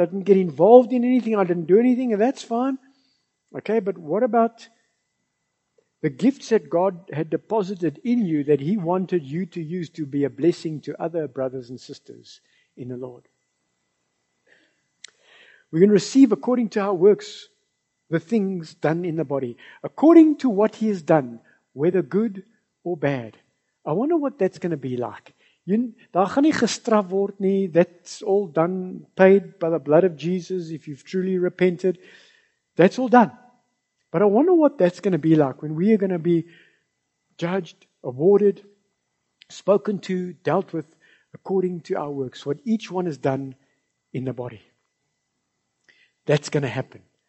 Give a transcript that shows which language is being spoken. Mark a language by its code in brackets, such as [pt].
[en] I didn't get involved in anything. I didn't do anything. And that's fine. Okay, but what about the gifts that God had deposited in you that he wanted you to use to be a blessing to other brothers and sisters in the Lord? We're going to receive according to our works the things done in the body. According to what he has done, whether good or bad. I wonder what that's going to be like. [af] Daar gaan nie gestraf word nie. [en] That's all done, paid by the blood of Jesus. If you've truly repented, that's all done. But I wonder what that's going to be like when we are going to be judged, awarded, spoken to, dealt with according to our works, what each one has done in the body. That's going to happen.